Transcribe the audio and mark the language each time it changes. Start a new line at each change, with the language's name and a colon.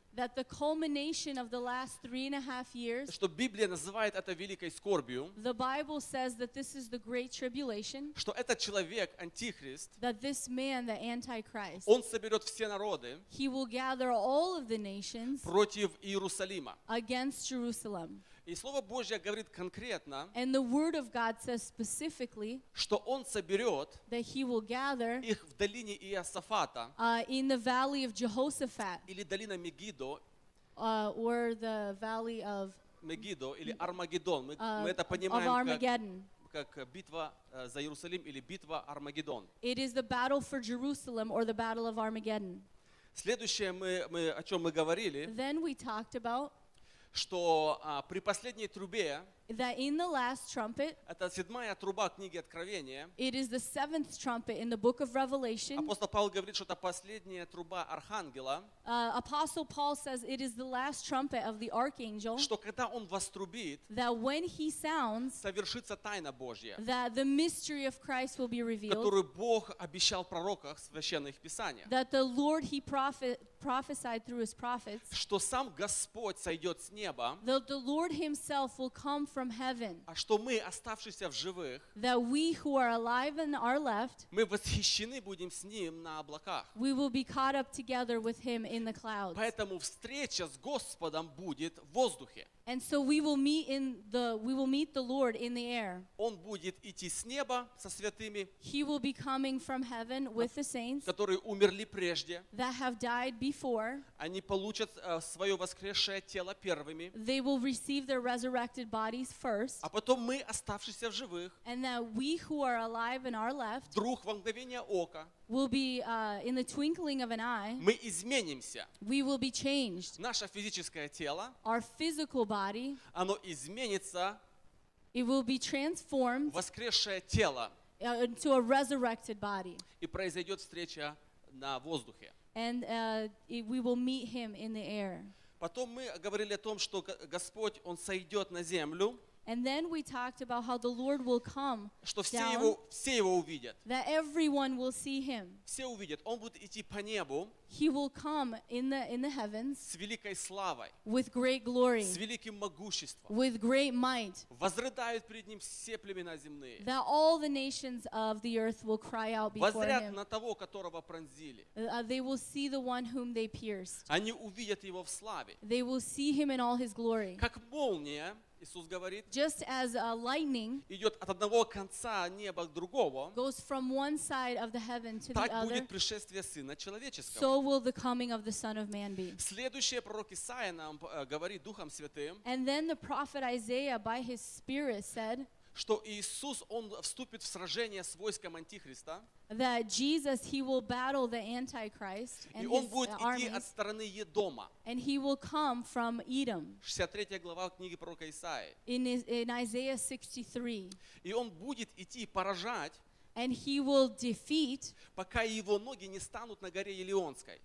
English: that the culmination of the last 3.5 years,
Russian: что Библия называет это великой скорбью,
English: the Bible says that this is the great tribulation,
Russian: что этот человек, Антихрист,
English: that this man, the Antichrist,
Russian: он соберет все народы,
English: he will gather all of the nations,
Russian: против Иерусалима,
English: against Jerusalem.
Russian: И Слово Божье говорит конкретно,
English: and the word of God says specifically,
Russian: что Он соберет,
English: that he will gather,
Russian: их в долине Иосафата,
English: in the valley of Jehoshaphat,
Russian: или долина Мегидо,
English: or the valley of
Russian: Мегидо, или Армагеддон. Мы это понимаем как битва за Иерусалим или битва Армагеддон.
English: It is the battle for Jerusalem or the battle of Armageddon.
Russian: Следующее, мы о чем мы говорили,
English: then we talked about,
Russian: что при последней трубе,
English: that in the last trumpet,
Russian: это седьмая труба книги Откровения,
English: it is the seventh trumpet in the book of Revelation,
Russian: апостол Павел говорит, что это последняя труба архангела,
English: apostle Paul says it is the last trumpet of the archangel,
Russian: что когда он вострубит,
English: that when he sounds,
Russian: совершится тайна Божья,
English: that the mystery of Christ will be revealed,
Russian: которую Бог обещал пророках в священных писаниях,
English: that the Lord he prophesied, prophesied through his prophets,
Russian: что сам Господь сойдет с неба,
English: that the Lord himself will come from heaven,
Russian: а что мы, оставшиеся в живых,
English: that we who are alive and are left,
Russian: мы восхищены будем с ним на облаках,
English: we will be caught up together with him in the clouds.
Russian: Поэтому встреча с Господом будет в воздухе.
English: And so we will meet in the we will meet the Lord in the air.
Russian: Он будет идти с неба со святыми.
English: He will be coming from heaven with the saints.
Russian: Которые умерли прежде.
English: That have died before.
Russian: Они получат свое воскресшее тело первыми.
English: They will receive their resurrected bodies first.
Russian: А потом мы, оставшиеся в живых.
English: And that we who are alive and are left.
Russian: Вдруг во мгновение ока.
English: Will be in the twinkling of an eye.
Russian: Мы изменимся.
English: We will be changed.
Russian: Наше физическое тело.
English: Our physical body.
Russian: Оно изменится.
English: It will be transformed.
Russian: Воскресшее тело.
English: Into a resurrected body.
Russian: И произойдет встреча на воздухе.
English: And we will meet him in the air.
Russian: Потом мы говорили о том, что Господь, он сойдет на землю.
English: And then we talked about how the Lord will come
Russian: что все
English: down,
Russian: его, все его увидят.
English: That everyone will see him.
Russian: Все увидят. Он будет идти по небу.
English: He will come in the heavens
Russian: с великой славой.
English: With great glory.
Russian: С великим могуществом.
English: With great might.
Russian: Возрыдают перед ним все племена земные.
English: That all the nations of the earth will cry out before
Russian: Возрят
English: him.
Russian: На того, которого пронзили.
English: They will see the one whom they pierced.
Russian: Они увидят его в славе.
English: They will see him in all his glory.
Russian: Как молния. Иисус говорит,
English: just as a lightning
Russian: идет от одного конца неба к другому,
English: goes from one side of the heaven to
Russian: так
English: the other,
Russian: будет пришествие Сына Человеческого.
English: So will the coming of the Son of Man be.
Russian: Следующее пророк Исаия нам говорит Духом Святым,
English: and then the prophet Isaiah by his Spirit said,
Russian: что Иисус, он вступит в сражение с войском Антихриста,
English: that Jesus, he will battle the Antichrist and his armies.
Russian: И он будет идти от стороны Едома.
English: And he will come from Edom.
Russian: 63 глава книги пророка Исаии.
English: In Isaiah 63.
Russian: И он будет идти поражать,
English: and he will defeat,
Russian: пока его ноги не станут на горе Елеонской,